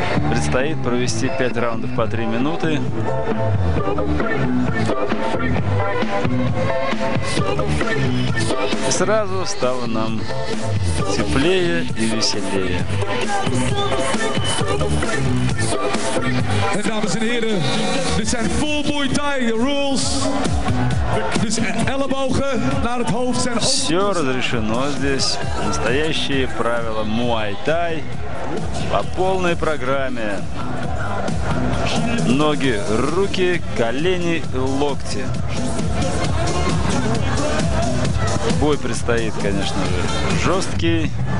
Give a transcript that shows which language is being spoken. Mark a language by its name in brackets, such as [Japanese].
[Russian] Предстоит провести 5 раундов по 3 минуты. И сразу стало нам теплее и веселее. [Dutch] And dames en heren, dit zijn [English] full Muay Thai rules. [Dutch] Dus ellebogen naar het hoofd zijn. [Russian] Все разрешено здесь. Настоящие правила Muay Thai по полной программе. Ноги, руки, колени, локти. Бой предстоит, конечно же, жесткий.